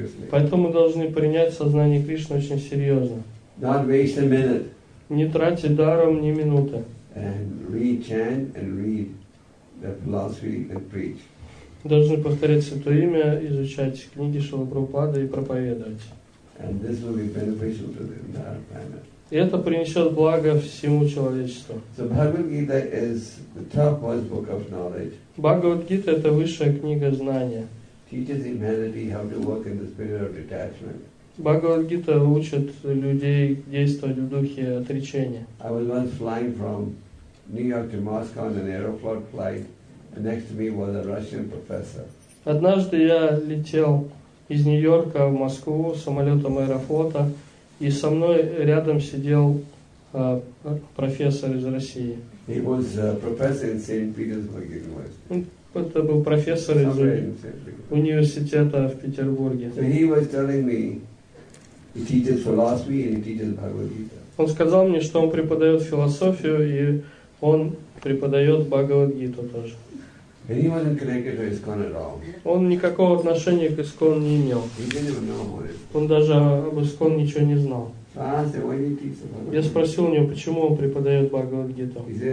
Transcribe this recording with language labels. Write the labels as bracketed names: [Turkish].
[Russian] Поэтому мы должны принять сознание Кришны очень серьезно. [English] Not waste a minute. [Russian] Не тратить даром ни минуты. [English] And read, chant, and read the philosophy and preach. [Russian] Должны повторять Святое Имя, изучать книги Шрилы Прабхупады и проповедовать. [English] And this will be beneficial to the entire planet. [Russian] И это принесет благо всему человечеству. [English] So Bhagavad Gita is the topmost book of knowledge. [Russian] Bhagavad Gita – это высшая книга знания. [English] Teaches humanity how to work in the spirit of detachment. [Russian] Bhagavad Gita учит людей действовать в духе отречения. [English] I was once flying from New York to Moscow on an Aeroflot flight, and next to me was a Russian professor. [Russian] Однажды я летел из Нью-Йорка в Москву самолетом Аэрофлота. И со мной рядом сидел профессор из России. [English] He was a professor in St. Petersburg University. [Russian] Это был профессор из университета в Петербурге. [English] So he was telling me he teaches philosophy and he teaches Bhagavad Gita. [Russian] Он сказал мне, что он преподает философию и он преподает Бхагавад Гиту тоже. [English] And he wasn't connected to ISKCON at all. [Russian] Он никакого отношения к ИСКОН не имел. [English] He didn't even know about it. [Russian] Он даже об ИСКОН ничего не знал. [English] Said, [Russian] я спросил у него, почему он преподает Бхагавад Гиту.